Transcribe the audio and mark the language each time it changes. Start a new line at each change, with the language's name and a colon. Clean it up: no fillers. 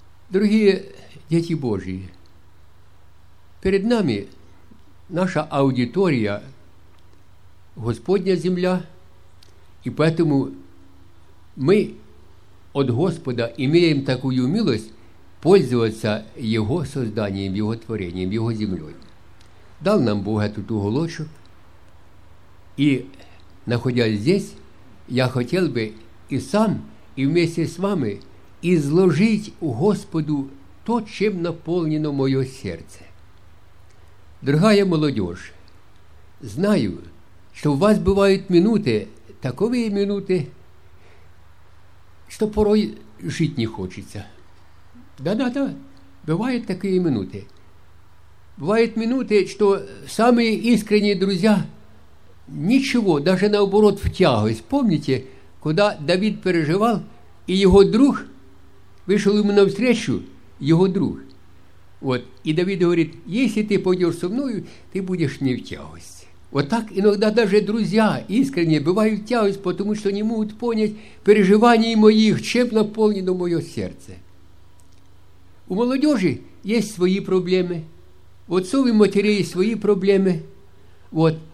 Russian: Дорогие дети Божьи, перед нами наша аудитория, Господня земля, и поэтому мы от Господа имеем такую милость пользоваться Его созданием, Его творением, Его землей. Дал нам Бог этот уголочек, и находясь здесь, я хотел бы и сам, и вместе с вами изложить Господу
Ukrainian: то, чим наповнено моє серце.
Russian: Дорогая молодежь,
Ukrainian: знаю, що у вас бувають минути, такові минути, що порой жити не хочеться. Да-да-да, бувають такі минути. Бувають минути, що самі іскренні друзі нічого, навіть наоборот, втягують. Пам'ятаєте, коли Давид переживав, і його друг вийшов йому навстречу, його друг. От, і Давид говорить, якщо ти підеш зі мною, ти будеш не втягуватися.
Russian: Вот так иногда даже друзья искренне бывают тягость, потому что не могут понять переживаний моих, чем наполнено мое сердце. У молодежи есть свои проблемы, у отцов и матерей свои проблемы. Вот.